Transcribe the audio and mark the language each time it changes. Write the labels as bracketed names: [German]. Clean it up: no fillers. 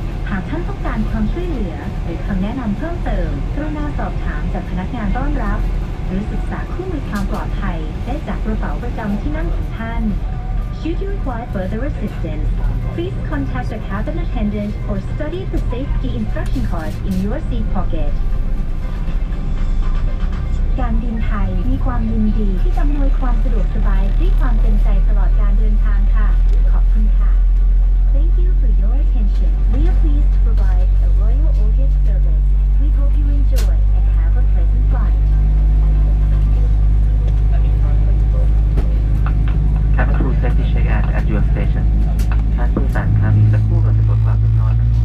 [Thai] หากท่านต้องการความช่วยเหลือหรือคำแนะนำเพิ่มเติมกรุณาสอบถามจากพนักงานต้อนรับหรือศึกษาคู่มือความปลอดภัยได้จากกระเป๋าประจำที่นั่งของท่าน [English] Should you require further assistance, please contact the cabin attendant or study the safety instruction card in your seat pocket. [Thai] การบินไทยมีความยินดีที่จะอำนวยความสะดวกสบายด้วยความเต็มใจตลอดการเดินทางค่ะขอบคุณค่ะ [English] Thank you for your attention. We are pleased to provide a Royal Orbit service. We hope you enjoy and have a pleasant flight. Cabin crew, safety check out at your station. [Thai] ท่านผู้สารครับสักครู่ก่อนจะกดความสุขนอน